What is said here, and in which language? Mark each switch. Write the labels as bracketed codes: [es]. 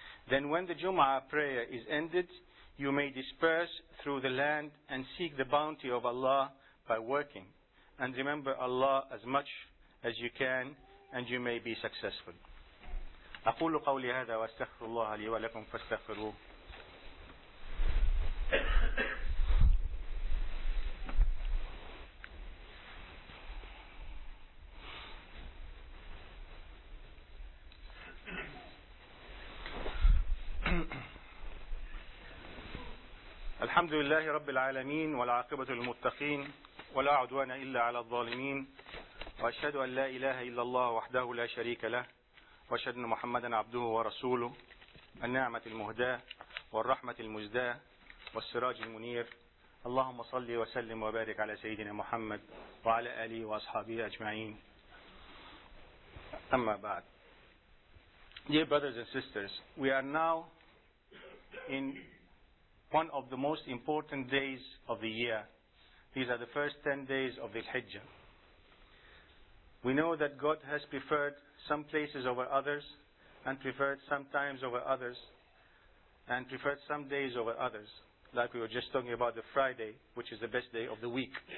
[en] Then when the Jummah prayer is ended, you may disperse through the land and seek the bounty of Allah by working. And remember Allah as much as you can, and you may be successful. [ar] أقول قولي هذا وأستغفر الله لي ولكم فاستغفروه. الحمد لله رب العالمين والعاقبة للمتقين ولا عدوان إلا على الظالمين وأشهد أن لا إله إلا الله وحده لا شريك له وأشهد أن محمدا عبده ورسوله النعمة المهداة والرحمة المزداة والسراج المنير اللهم صل وسلم وبارك على سيدنا محمد وعلى آله وأصحابه أجمعين أما بعد. [en] Dear brothers and sisters, we are now in one of the most important days of the year. These are the first 10 days of the Hijjah. We know that God has preferred some places over others, and preferred some times over others, and preferred some days over others, like we were just talking about the Friday, which is the best day of the week.